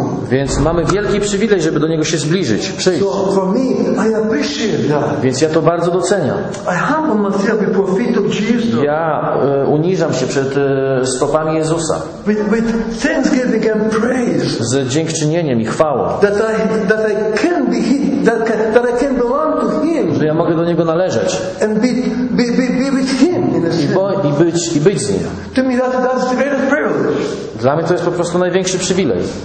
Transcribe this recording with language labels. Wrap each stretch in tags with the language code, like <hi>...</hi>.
<pl>Więc mamy wielki przywilej, żeby do Niego się zbliżyć, przyjść.</pl> <en>So for me, I appreciate that.</en> <pl>Więc ja to bardzo doceniam.</pl> <en>I humble myself before feet of Jesus.</en> <pl>Ja uniżam się przed stopami Jezusa.</pl> <en>With thanksgiving and praise.</en> <pl>Z dziękczynieniem i chwałą.</pl> <en>That I can be hidden, that I</en> <pl>mogę do Niego należeć.</pl> <en>And be with him in a sense.</en> <pl>I być z Nim.</pl> <en>To me that's the greatest privilege.</en> <pl>Dla mnie to jest po prostu największy przywilej.</pl>